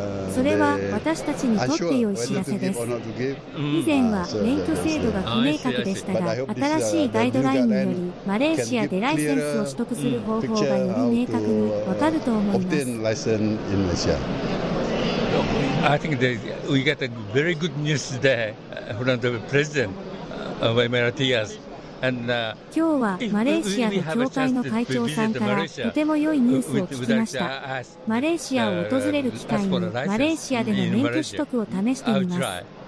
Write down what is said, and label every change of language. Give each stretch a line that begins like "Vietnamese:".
Japanese: それは私たちにとって良い知らせです。以前は免許制度が不明確でしたが、新しいガイドラインによりマレーシアでライセンスを取得する方法がより明確に分かると思います。
English: I think that we got a very good news today from the president of Emiratias.
Japanese: 今日はマレーシアの協会の会長さんからとても良いニュースを聞きました。マレーシアを訪れる機会にマレーシアでの免許取得を試してみます。